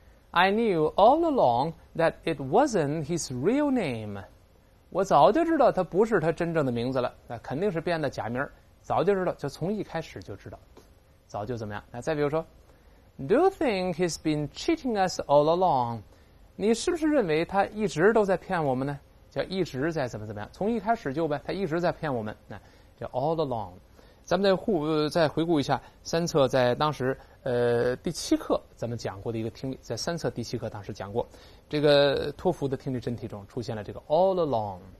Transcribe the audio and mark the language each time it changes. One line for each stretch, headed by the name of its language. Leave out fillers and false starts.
English: I knew all along that it wasn't his real name.
Chinese: 我早就知道他不是他真正的名字了，那肯定是编的假名，早就知道，就从一开始就知道，早就怎么样。那再比如说，
English: Do you think he's been cheating us all along?
Chinese: 你是不是认为他一直都在骗我们呢？叫一直在怎么怎么样，从一开始就呗，他一直在骗我们，那叫 all along。咱们再回顾一下三册在当时第七课咱们讲过的一个听力，在三册第七课当时讲过，这个托福的听力真题中出现了这个 all along。